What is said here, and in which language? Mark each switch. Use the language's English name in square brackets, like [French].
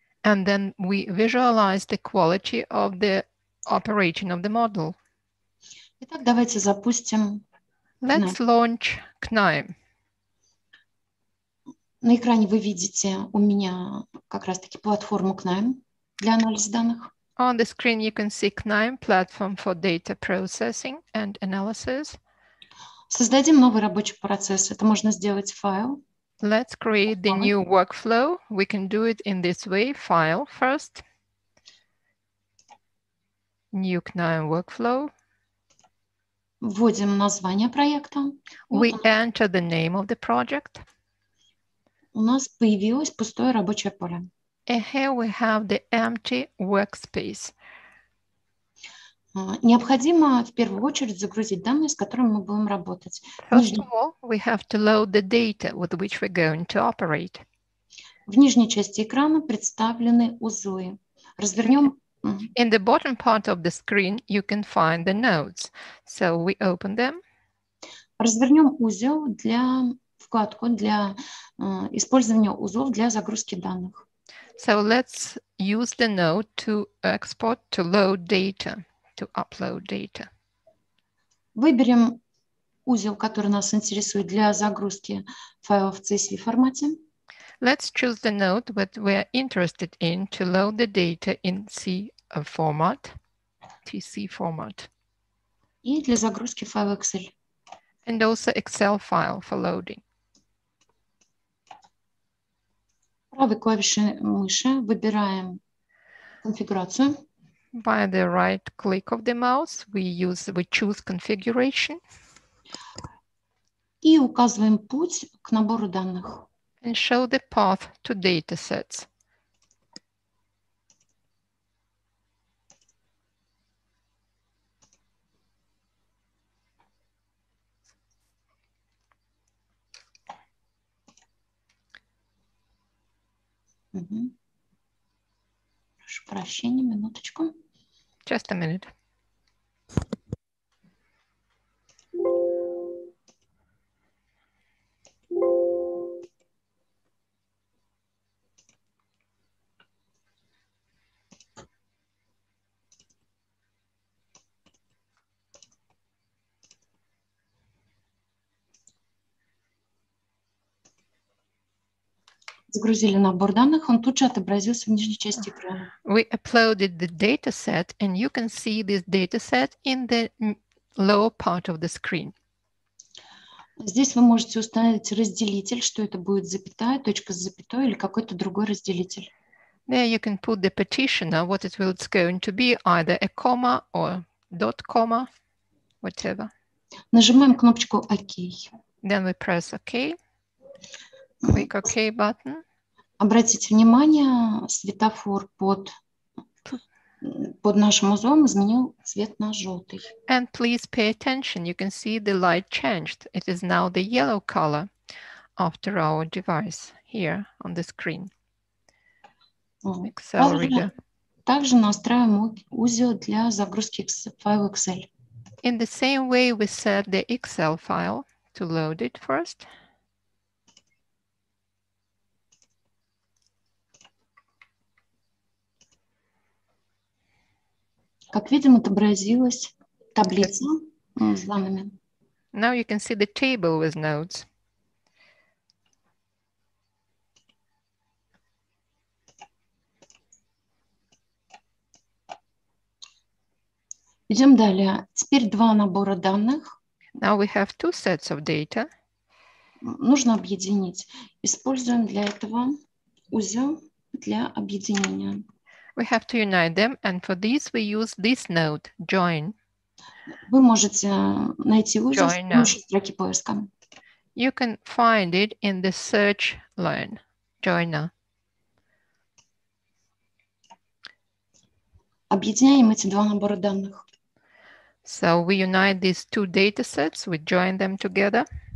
[English] And then we visualize the quality of the operation of the model. [Russian] Итак, давайте запустим. [English] Let's launch KNIME. [Russian] На экране вы видите у меня как раз-таки платформу KNIME для анализа данных. [English] On the screen you can see KNIME platform for data processing and analysis. [Russian] Создадим новый рабочий процесс. Это можно сделать файл. [English] Let's create the new workflow. We can do it in this way. File first. New KNIME workflow. [Russian] Вводим название проекта. [English] We enter the name of the project. [Russian] У нас появилось пустое рабочее поле. [English] And here we have the empty workspace. [Russian] Необходимо в первую очередь загрузить данные, с которыми мы будем работать. [English] First of all, we have to load the data with which we're going to operate. [Russian] В нижней части экрана представлены узлы. Развернем. [English] In the bottom part of the screen, you can find the nodes. So we open them. [Russian] Развернем узел для вкладку для использования узлов для загрузки данных. [English] So let's use the node to export, to load data. To upload data. [Russian] Выберем узел, который нас интересует для загрузки файлов в CSV формате. [English] Let's choose the node that we are interested in to load the data in CSV format. [Russian] И для загрузки файла Excel. [English] And also Excel file for loading. [Russian] Правой клавишей мыши выбираем конфигурацию. [English] By the right click of the mouse, we choose configuration. [Russian] И указываем путь к набору данных. [English] And show the path to data sets. [Russian] Прошу прощения, минуточку. [English] Just a minute. [Russian] Загрузили набор данных, он тут же отобразился в нижней части экрана. [English] We uploaded the data set, and you can see this data set in the lower part of the screen. [Russian] Здесь вы можете установить разделитель, что это будет запятая, точка с запятой или какой-то другой разделитель. [English] There you can put the petitioner, what it will it's going to be, either a comma or dot comma, whatever. [Russian] Нажимаем кнопочку OK. [English] Then we press OK. Click OK button. [Russian] Обратите внимание, светофор под нашим узлом изменил цвет на желтый. [English] And please pay attention. You can see the light changed. It is now the yellow color after our device here on the screen. Excel reader. [Russian] Также настраиваем узел для загрузки файла Excel. [English] In the same way, we set the Excel file to load it first. [Russian] Как видим, отобразилась таблица с данными. [English] Now you can see the table with notes. [Russian] Идем далее. Теперь два набора данных. [English] Now we have two sets of data. [Russian] Нужно объединить. Используем для этого узел для объединения. [English] We have to unite them, and for this we use this node, join. [Russian] Вы можете найти узел join с помощью строки поиска. [English] You can find it in the search line, joiner. [Russian] Объединяем эти два набора данных. [English] So we unite these two data sets, we join them together.